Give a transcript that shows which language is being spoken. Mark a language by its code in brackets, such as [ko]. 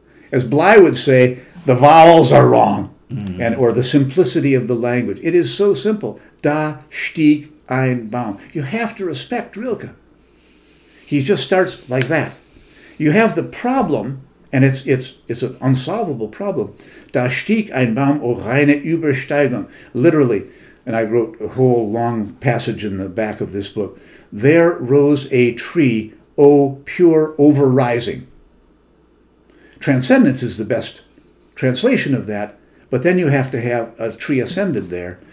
[en] As Bly would say, the vowels are wrong, mm-hmm. or the simplicity of the language. It is so simple. [de] Da stieg ein Baum. [en] You have to respect Rilke. He just starts like that. You have the problem, and it's an unsolvable problem. [de] Da stieg ein Baum, o reine Übersteigung. [en] Literally, and I wrote a whole long passage in the back of this book. There rose a tree, o pure overrising. Transcendence is the best translation of that, but then you have to have a tree ascended there.